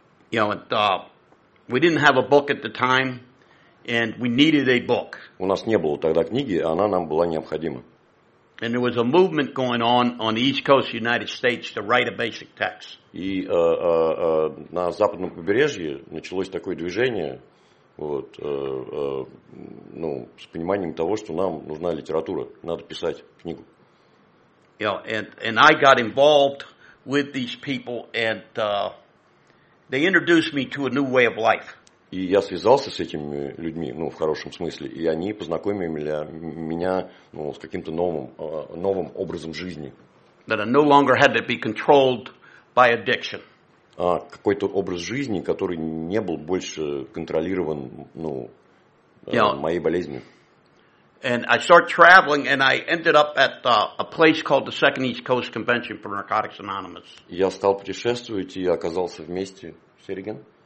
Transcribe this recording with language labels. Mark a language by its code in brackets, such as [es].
[en] You know, we didn't have a book at the time, and we needed a book. [ru] У нас не было тогда книги, она нам была необходима. [en] And there was a movement going on the East Coast of the United States to write a basic text. [ru] И на западном побережье началось такое движение, вот, ну, с пониманием того, что нам нужна литература, надо писать книгу. [en] You know, and I got involved with these people, and they introduced me to a new way of life. [ru] И я связался с этими людьми, ну, в хорошем смысле, и они познакомили меня, ну, с каким-то новым образом жизни. [en] That I no longer had to be controlled by addiction. [ru] А какой-то образ жизни, который не был больше контролирован, ну, [en] you know, [ru] моей болезнью. [en] And I start traveling, and I ended up at a place called the Second East Coast Convention for Narcotics Anonymous. [ru] Я стал путешествовать и оказался вместе с Эриген.